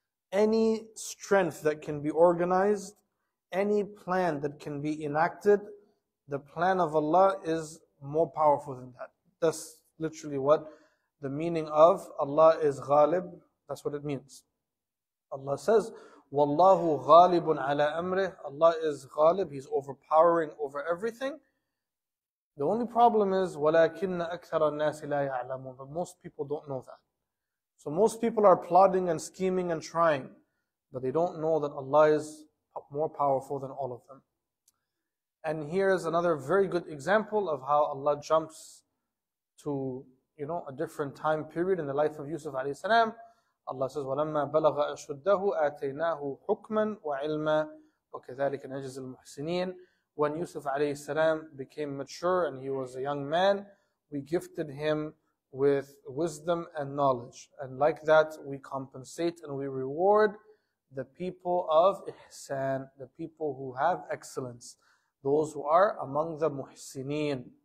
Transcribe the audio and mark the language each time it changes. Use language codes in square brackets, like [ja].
[en] Any strength that can be organized, any plan that can be enacted, the plan of Allah is more powerful than that. That's literally what the meaning of Allah is ghalib, that's what it means. Allah says, [ar] Wallahu ghalibun ala amrih. [en] Allah is ghalib, He's overpowering over everything. The only problem is, [ar] وَلَكِنَّ أَكْثَرَ النَّاسِ لَا يَعْلَمُونَ. [en] But most people don't know that. So most people are plotting and scheming and trying, but they don't know that Allah is more powerful than all of them. And here is another very good example of how Allah jumps to, you know, a different time period in the life of Yusuf alayhi salam. Allah says, [ar] وَلَمَّا بَلَغَ أَشُدَّهُ آتَيْنَاهُ حُكْمًا وَعِلْمًا وَكَذَلِكَ نَجْزِ الْمُحْسِنِينَ. [en] When Yusuf alayhi salam became mature and he was a young man, we gifted him with wisdom and knowledge. And like that, we compensate and we reward the people of ihsan, the people who have excellence, those who are among the muhsineen.